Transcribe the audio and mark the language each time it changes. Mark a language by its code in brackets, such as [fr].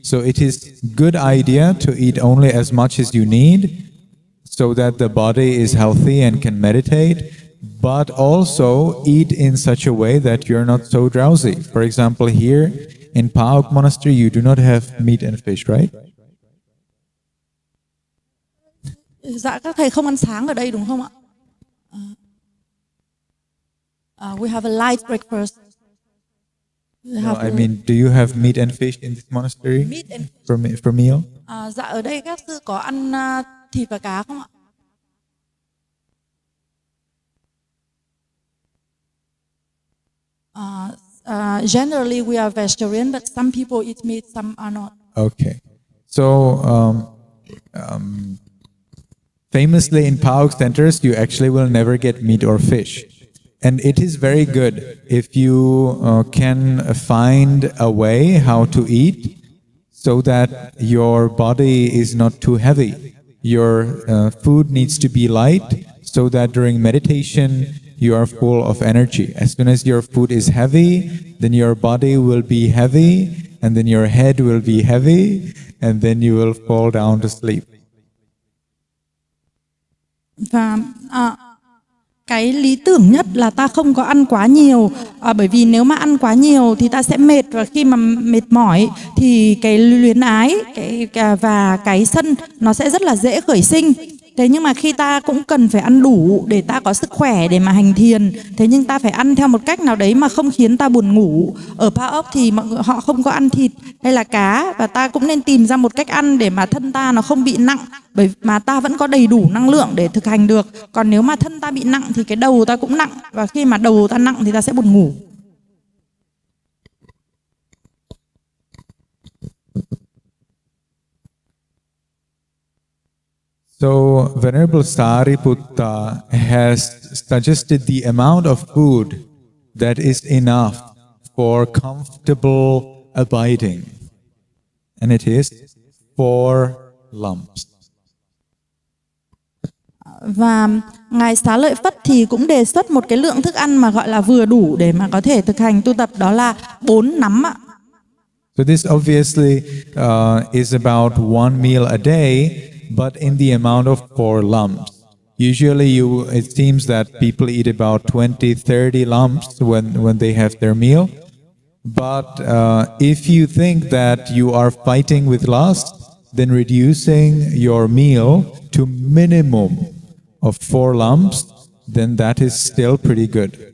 [en] So it is good idea to eat only as much as you need, so that the body is healthy and can meditate, but also eat in such a way that you're not so drowsy. For example, here in Pauk Monastery, you do not have meat and fish, right? [vi] Dạ, các thầy không ăn sáng ở đây đúng không ạ? [en] We have a light breakfast. I mean, do you have meat and fish in this monastery for meal? [vi] Dạ, ở đây các sư có ăn thịt và cá không ạ? [en] Generally, we are vegetarian, but some people eat meat, some are not. Okay. So, famously in Pauk centers, you actually will never get meat or fish. And it is very good if you can find a way how to eat so that your body is not too heavy. Your food needs to be light so that during meditation, you are full of energy. As soon as your food is heavy, then your body will be heavy, and then your head will be heavy, and then you will fall down to sleep. [vi] Và cái lý tưởng nhất là ta không có ăn quá nhiều, bởi vì nếu mà ăn quá nhiều thì ta sẽ mệt, và khi mà mệt mỏi thì cái luyến ái và cái sân nó sẽ rất là dễ khởi sinh. Thế nhưng mà khi ta cũng cần phải ăn đủ để ta có sức khỏe để mà hành thiền. Thế nhưng ta phải ăn theo một cách nào đấy mà không khiến ta buồn ngủ. Ở Pauk thì mọi người, họ không có ăn thịt hay là cá, và ta cũng nên tìm ra một cách ăn để mà thân ta nó không bị nặng, bởi mà ta vẫn có đầy đủ năng lượng để thực hành được. Còn nếu mà thân ta bị nặng thì cái đầu ta cũng nặng, và khi mà đầu ta nặng thì ta sẽ buồn ngủ. [en] So, Venerable Sariputta has suggested the amount of food that is enough for comfortable abiding, and it is 4 lumps. [vi] Và Ngài Xá Lợi Phất thì cũng đề xuất một cái lượng thức ăn mà gọi là vừa đủ để mà có thể thực hành tu tập, đó là 4 nắm ạ. [en] So this obviously is about 1 meal a day, but in the amount of 4 lumps. Usually it seems that people eat about 20-30 lumps when they have their meal. But if you think that you are fighting with lust, then reducing your meal to minimum of 4 lumps, then that is still pretty good.